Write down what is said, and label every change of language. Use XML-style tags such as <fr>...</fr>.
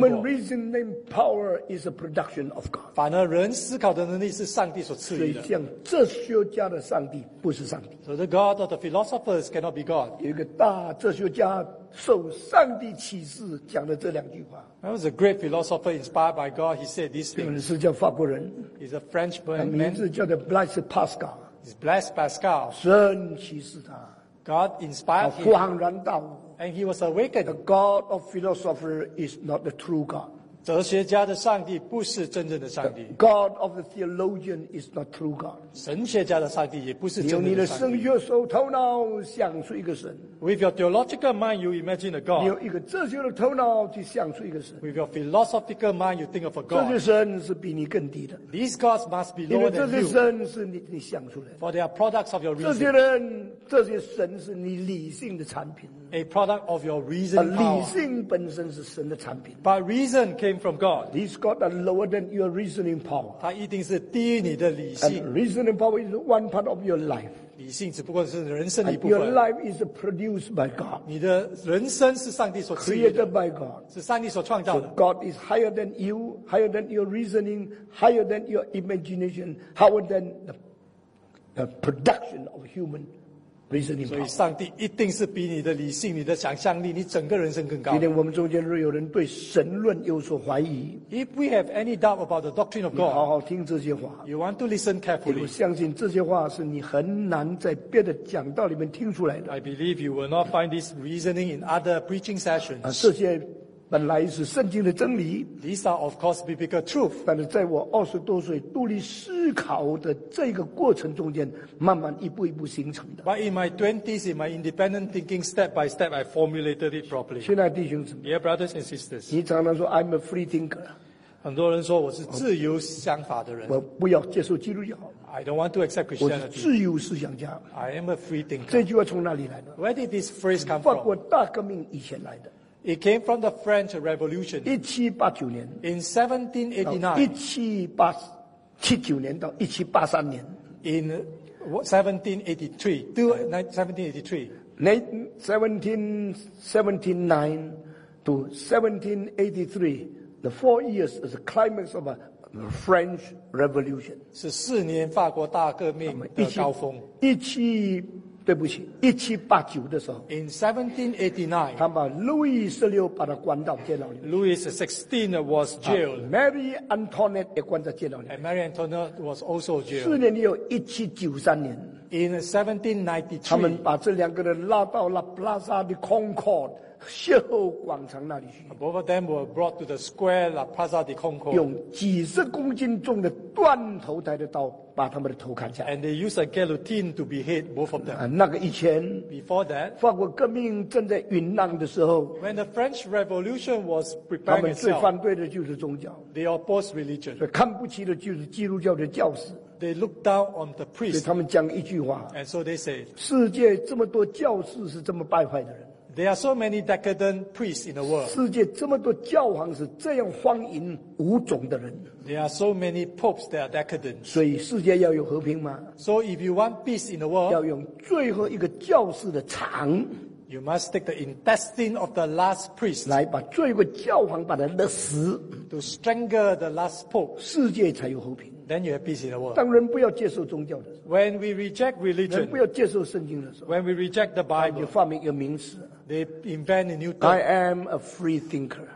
<en>果。Human reasoning power is a production of God.</en> <zh>反而人思考的能力是上帝所赐予的。所以像哲学家的上帝不是上帝。</zh> <en>So the God of the philosophers cannot be God.</en> <zh>有一个大哲学家受上帝启示讲了这两句话。</zh> <en>That was a great philosopher inspired by God. He said these things.</en> <zh>他名字叫法国人。</zh> <en>He's a Frenchman.</en> <zh>他名字叫做 Blaise Pascal。</zh> <en>He's blessed Pascal.</en> <zh>神启示他。</zh> <en>God inspired him.</en> <zh>恍然大悟。</zh> <en>And he was awakened. The God of philosopher is not the true God.</en> <zh>哲学家的上帝不是真正的上帝。</zh> <en>The God of the theologian is not true God.</en> <zh>神学家的上帝也不是真正的上帝。你用你的神学头脑想出一个神。</zh> <en>With your theological mind, you imagine a God.</en> <zh>你用一个哲学的头脑去想出一个神。</zh> <en>With your philosophical mind, you think of a God.</en> <zh>这些神是比你更低的。</zh> <en>These gods must be lower than you.</en> <zh>这些神是 你想出来的。</zh> <en>For they are products of your reason.</en> <zh>这些神是你理性的产品。</zh> <en>A product of your reason power.</en> <zh>理性本身是神的产品。</zh> <en>But reason came came from God. He's got a lower than your reasoning power.</en> <zh>他一定是低于你的理性。</zh> <en>And reasoning power is one part of your life.</en> <zh>理性只不过是人生的一部分。</zh> <en>And your life is produced by God.</en> <zh>你的人生是上帝所赐予的。</zh> <en>Created by God.</en> <zh>是上帝所创造的。</zh> <en>So God is higher than you, higher than your reasoning, higher than your imagination, higher than the production of human reasoning power.</en> <zh>所以上帝一定是比你的理性、你的想象力、你整个人生更高的。今天我们中间若有人对神论有所怀疑，</zh> <en>If we have any doubt about the doctrine of God,</en> <zh>你好好听这些话。</zh> <en>You want to listen carefully.</en> <zh>你会相信这些话是你很难在别的讲道里面听出来的。</zh> <en>I believe you will not find this reasoning in other preaching sessions.</en> <zh>这些本来是圣经的真理。</zh> <en>These are of course biblical truth.</en> <zh>但是在我20多岁独立思考的这个过程中间，慢慢一步一步形成的。</zh> <en>But in my 20s, in my independent thinking, step by step, I formulated it properly.</en> <zh>亲爱的弟兄姊妹</zh> <en>，Dear brothers and sisters,</en> <zh>你常常说</zh> <en>I'm a free thinker.</en> <zh>很多人说我是自由想法的人。我不要接受基督教。</zh> <en>I don't want to accept Christianity.</en> <zh>我是自由思想家。</zh> <en>I am a free thinker.</en> <zh>这句话从哪里来的</zh> <en>？Where did this phrase come from?</en> <zh>法国大革命以前来的。</zh> <en>It came from the French Revolution.</en> <zh>1789年</zh> <en>In 1789.</en> <zh>1789到1783年</zh> <en>In 1783. 1779 to 1783. The 4 years is the climax of a French Revolution.</en> <zh>是四年法国大革命的高峰。对不起1789的时候</zh> <en>In 1789</en> <zh>他把路易十六把他关到监牢里面</zh> <en>Louis XVI was jailed</en> <zh>Marie Antoinette 也关在监牢里面</zh> <en>And Marie Antoinette was also jailed</en> <zh>四年以后1793年</zh> <en>In 1793</en> <zh>他们把这两个人拉到了 Plaza de Concord 歇后广场那里去</zh> <en>Both of them were brought to the square La Plaza de Concord</en> <zh>用几十公斤重的断头台的刀把他们的头砍下</zh> <en>And they used a guillotine to behead both of them.</en> <zh>那个以前</zh> <en>Before that,</en> <zh>法国革命正在酝酿的时候</zh> <en>When the French Revolution was preparing itself,</en> <zh>他们最反对的就是宗教</zh> <en>They opposed religion.</en> <zh>所以看不起的就是基督教的教士</zh> <en>They looked down on the priests.</en> <zh>所以他们讲一句话</zh> <en>And so they say,</en> <zh>世界这么多教士是这么败坏的人</zh> <en>There are so many decadent priests in the world.</en> <zh>世界这么多教皇是这样荒淫无种的人</zh> <en>There are so many popes that are decadent.</en> <zh>所以世界要有和平吗</zh> <en>So if you want peace in the world,</en> <zh>要用最后一个教士的肠</zh> <en>you must take the intestine of the last priest</en> <zh>来把最后一个教皇把他勒死</zh> <en>to strangle the last pope.</en> <zh>世界才有和平</zh> <en>Then you have peace in the world.</en> <zh>当人不要接受宗教的时候</zh> <en>When we reject religion,</en> <zh>人不要接受圣经的时候</zh> <en>When we reject the Bible,</en> <zh>他们就发明一个名词</zh> <en>They invent a new term. I am a free thinker.</en>